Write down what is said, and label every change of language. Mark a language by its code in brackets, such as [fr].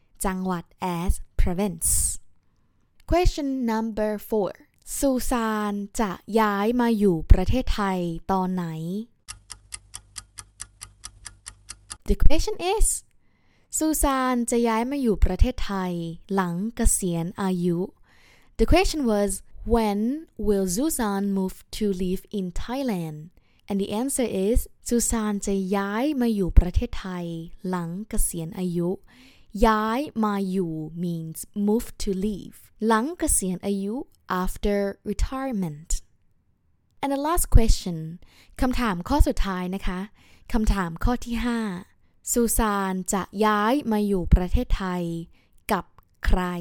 [en] จังหวัด as province. Question number 4. [th] Susan จะย้ายมาอยู่ประเทศไทยตอนไหน? [en] The question is [th] Susan จะย้ายมาอยู่ประเทศไทยหลังเกษียณอายุ. [en] The question was when will Susan move to live in Thailand? And the answer is [th] Susan จะย้ายมาอยู่ประเทศไทยหลังเกษียณอายุย้ายมาอยู่ [en] means move to leave [th] หลังเกษียณอายุ [en] after retirement And the last question [th] คำถามข้อสุดท้ายนะคะคำถามข้อที่5 Susan จะย้ายมาอยู่ประเทศไทยกับใคร